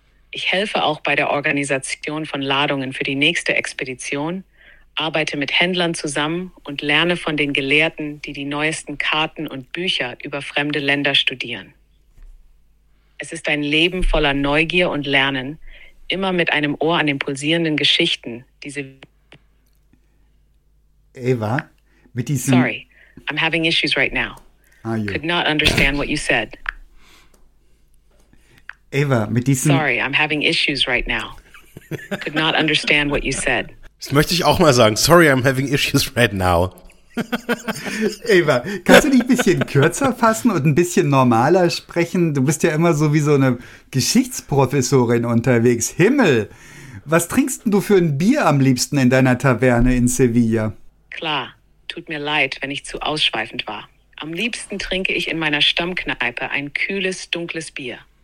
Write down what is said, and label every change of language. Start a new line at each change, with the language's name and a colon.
German: Ich helfe auch bei der Organisation von Ladungen für die nächste Expedition, arbeite mit Händlern zusammen und lerne von den Gelehrten, die die neuesten Karten und Bücher über fremde Länder studieren. Es ist ein Leben voller Neugier und Lernen, immer mit einem Ohr an den pulsierenden Geschichten, diese... Ava, mit diesem...
English: Sorry, I'm having issues right now.
German: Ah, ja.
English: Could not understand what you said.
German: Ava, mit diesem...
English: Sorry, I'm having issues right now. Could not understand what you said.
German: Das möchte ich auch mal sagen.
English: Sorry, I'm having issues right now.
German: Ava, kannst du dich ein bisschen kürzer fassen und ein bisschen normaler sprechen? Du bist ja immer so wie so eine Geschichtsprofessorin unterwegs. Himmel, was trinkst denn du für ein Bier am liebsten in deiner Taverne in Sevilla? Klar, tut mir leid, wenn ich zu ausschweifend war. Am liebsten trinke ich in meiner Stammkneipe ein kühles, dunkles Bier.